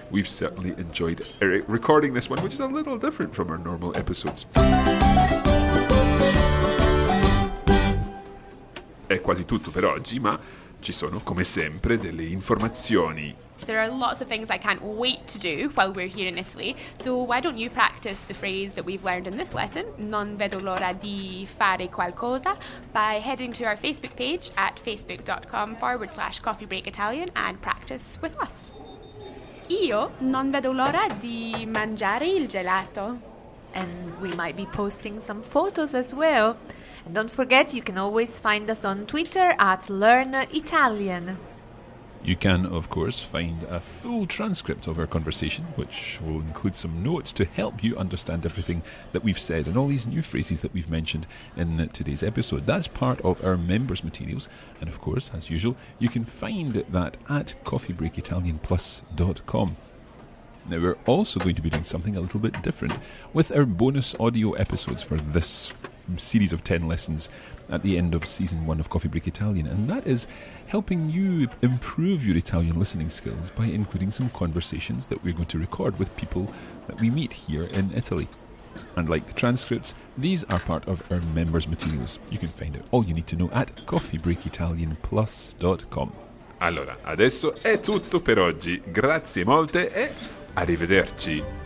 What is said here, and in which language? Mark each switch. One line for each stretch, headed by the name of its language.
English: We've certainly enjoyed recording this one, which is a little different from our normal episodes.
Italian: È quasi tutto per oggi, ma ci sono, come sempre, delle informazioni.
English: There are lots of things I can't wait to do while we're here in Italy. So why don't you practice the phrase that we've learned in this lesson,
Italian: non vedo l'ora di fare qualcosa,
English: by heading to our Facebook page at facebook.com/coffeebreakitalian and practice with us.
Italian: Io non vedo l'ora di mangiare il gelato.
English: And we might be posting some photos as well. And don't forget, you can always find us on Twitter at learnitalian. You can, of course, find a full transcript of our conversation, which will include some notes to help you understand everything that we've said and all these new phrases that we've mentioned in today's episode. That's part of our members' materials. And, of course, as usual, you can find that at coffeebreakitalianplus.com. Now, we're also going to be doing something a little bit different with our bonus audio episodes for this series of 10 lessons at the end of Season 1 of Coffee Break Italian, and that is helping you improve your Italian listening skills by including some conversations that we're going to record with people that we meet here in Italy. And like the transcripts, these are part of our members' materials. You can find out all you need to know at coffeebreakitalianplus.com.
Italian: Allora, adesso è tutto per oggi. Grazie molte e arrivederci.